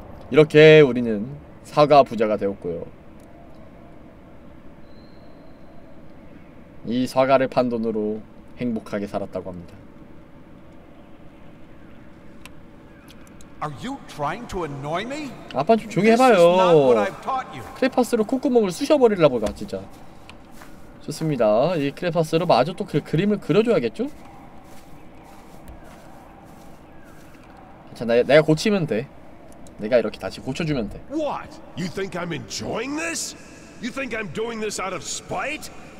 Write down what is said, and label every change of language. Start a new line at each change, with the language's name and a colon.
Korean: 이렇게 우리는 사과 부자가 되었고요. 이 사과를 판 돈으로 행복하게 살았다고 합니다.
English: Are you trying to annoy me?
Korean: 아빠 좀 조용히 해봐요. 크레파스로 콧구멍을 쑤셔버리려고가 진짜. 좋습니다. 이 크레파스로 마저 또 그림을 그려줘야겠죠? 자, 내가 고치면 돼. 내가 이렇게 다시 고쳐주면 돼.
English: What? You think I'm enjoying this? You think I'm doing this out of spite?